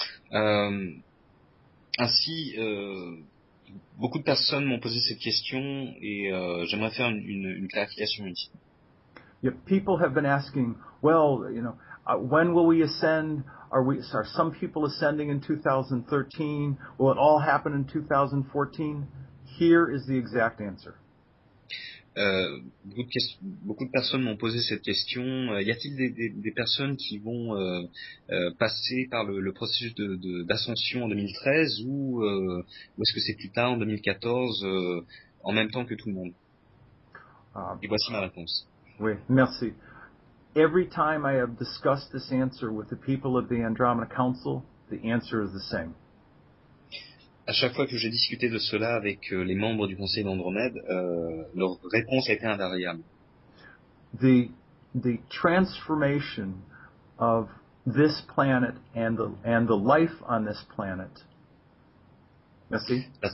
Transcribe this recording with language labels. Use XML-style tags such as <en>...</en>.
<fr>Ainsi, beaucoup de personnes m'ont posé cette question et j'aimerais faire une clarification ici.</fr> <en>Yeah, people have been asking, well, you know, when will we ascend? Are some people ascending in 2013? Will it all happen in 2014? Here is the exact answer.</en> <fr>Beaucoup de personnes m'ont posé cette question. Y a-t-il des personnes qui vont passer par le processus d'ascension en 2013 ou est-ce que c'est plus tard, en 2014, en même temps que tout le monde? Et voici ma réponse. Oui, merci.</fr> <en>Every time I have discussed this answer with the people of the Andromeda Council, the answer is the same.</en> <fr>À chaque fois que j'ai discuté de cela avec les membres du Conseil d'Andromède, leur réponse a été invariable.</fr> <en>The transformation of this planet and the life on this planet. Merci.</en>